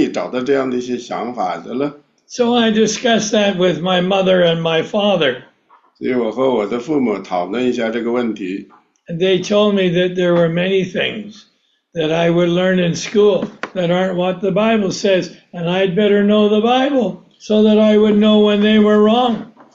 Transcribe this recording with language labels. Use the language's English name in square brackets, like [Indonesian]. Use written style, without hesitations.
[Chinese] 所以并不说大自然母亲，那是我们的神，神是我的父。那么说他从哪里找到这样的一些想法的了？ [English] So I discussed that with my mother and my father. [Chinese] 所以我和我的父母讨论一下这个问题。 [English] And they told me that there were many things that I would learn in school that aren't what the Bible says, and I'd better know the Bible so that I would know when they were wrong.